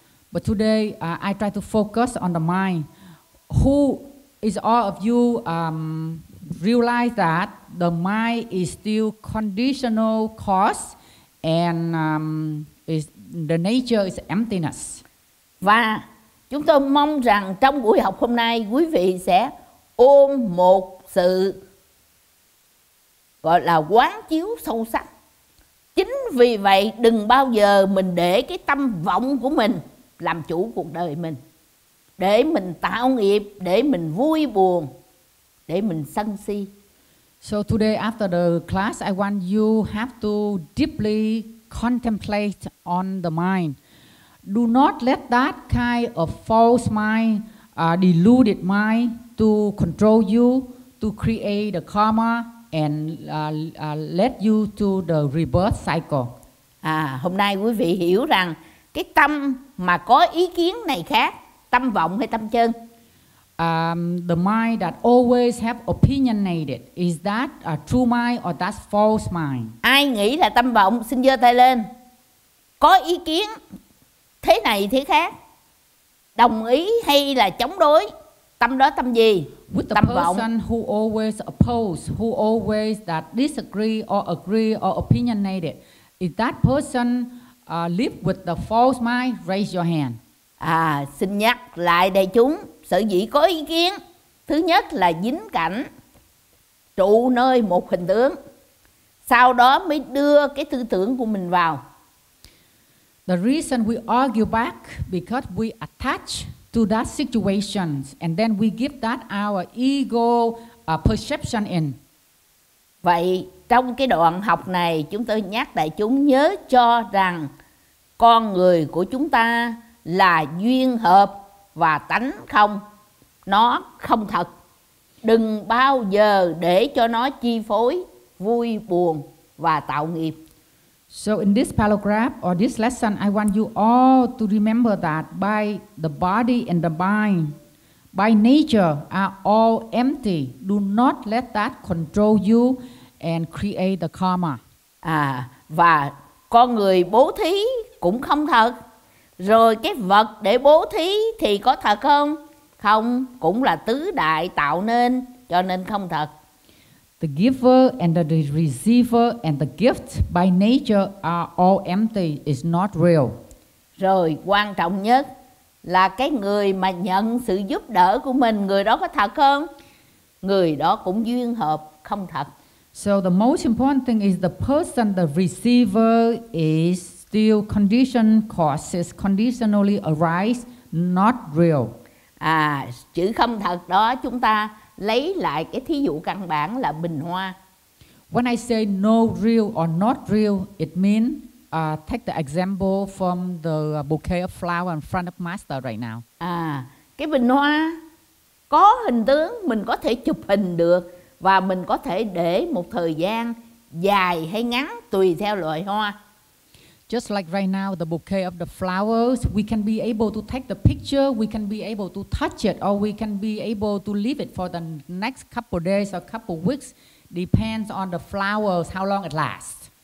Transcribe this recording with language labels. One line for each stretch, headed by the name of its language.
English: But today I try to focus on the mind. Who is all of you realize that the mind is still conditional cause and is the nature is emptiness.
Vietnamese: Và chúng tôi mong rằng trong buổi học hôm nay quý vị sẽ ôm một sự gọi là quán chiếu sâu sắc. Chính vì vậy đừng bao giờ mình để cái tâm vọng của mình làm chủ cuộc đời mình, để mình tạo nghiệp, để mình vui buồn, để mình sân si.
English: So today after the class, I want you have to deeply contemplate on the mind. Do not let that kind of false mind, deluded mind, to control you, to create the karma, and let you to the rebirth cycle.
Vietnamese: À, hôm nay quý vị hiểu rằng cái tâm mà có ý kiến này khác, tâm vọng hay tâm chân?
English: The mind that always have opinionated, is that a true mind or that false mind?
Vietnamese: Ai nghĩ là tâm vọng, xin giơ tay lên. Có ý kiến thế này thế khác, đồng ý hay là chống đối, tâm đó tâm gì?
English: With the
Vietnamese: tâm
English: person
Vietnamese: vọng.
English: Who always oppose, who always that disagree or agree or opinionated, if that person live with the false mind, raise your hand.
Vietnamese: À, xin nhắc lại đại chúng, sở dĩ có ý kiến, thứ nhất là dính cảnh, trụ nơi một hình tướng, sau đó mới đưa cái tư tưởng của mình vào.
English: The reason we argue back because we attach to that situation and then we give that our ego perception in.
Vietnamese: Vậy trong cái đoạn học này chúng tôi nhắc đại chúng nhớ cho rằng con người của chúng ta là duyên hợp và tánh không, nó không thật. Đừng bao giờ để cho nó chi phối vui buồn và tạo nghiệp.
English: So in this paragraph or this lesson, I want you all to remember that by the body and the mind, by nature, are all empty. Do not let that control you and create the karma.
Vietnamese: À, và con người bố thí cũng không thật. Rồi cái vật để bố thí thì có thật không? Không, cũng là tứ đại tạo nên, cho nên không thật.
English: The giver and the receiver and the gift by nature are all empty, it's not real.
Vietnamese: Rồi quan trọng nhất là cái người mà nhận sự giúp đỡ của mình, người đó có thật không? Người đó cũng duyên hợp, không thật.
English: So the most important thing is the person, the receiver is still condition causes conditionally arise, not real.
Vietnamese: À, chữ không thật đó chúng ta lấy lại cái thí dụ căn bản là bình hoa.
English: When I say no real or not real, it means take the example from the bouquet of flower in front of master right now.
Vietnamese: À, cái bình hoa có hình tướng, mình có thể chụp hình được và mình có thể để một thời gian dài hay ngắn tùy theo loại hoa.
English: Just like right now, the bouquet of the flowers, we can be able to take the picture, we can be able to touch it, or we can be able to leave it for the next couple days or couple weeks, depends on the flowers, how long it lasts.